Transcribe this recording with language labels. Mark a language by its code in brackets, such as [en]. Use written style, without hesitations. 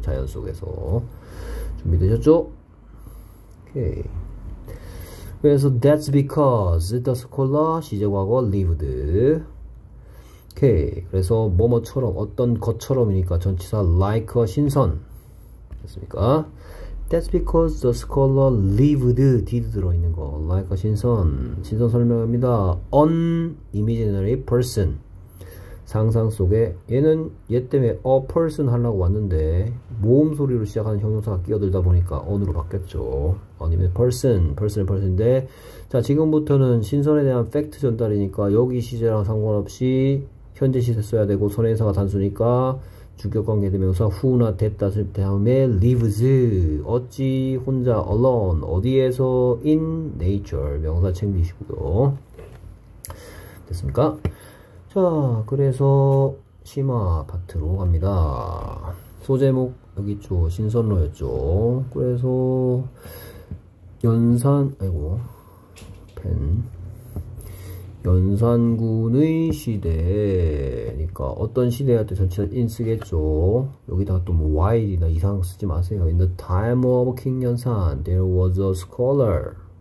[ko] 자연 속에서. 준비되셨죠? 오케이. [en] 그래서 that's because the scholar 시제과거 lived. 오케이. [ko] 그래서 뭐뭐처럼 어떤 것처럼이니까 전치사 like가 신선. 됐습니까? [en] That's because the scholar lived, did [ko] 들어있는 거. like가 신선. 신선 설명합니다. an imaginary person. 상상 속에 얘는 얘 때문에 a person 하려고 왔는데 모음 소리로 시작하는 형용사가 끼어들다 보니까 on으로 바뀌었죠. 아니면 person, person은 person인데 자 지금부터는 신선에 대한 팩트 전달이니까 여기 시제랑 상관없이 현재 시제 써야 되고 선행사가 단수니까 주격관계 대명사 who나 됐다 다음에 lives 어찌 혼자 alone 어디에서 in nature 명사 챙기시고요. 됐습니까? 자, 그래서 심화 파트로 갑니다. 소제목 여기 있죠. 신선로였죠. 그래서 연산, 아이고, 펜. 연산군의 시대니까 어떤 시대야 때 전체 인 쓰겠죠. 여기다가 또뭐 while이나 이상 쓰지 마세요. [en] In the time of King 연산, there was a scholar.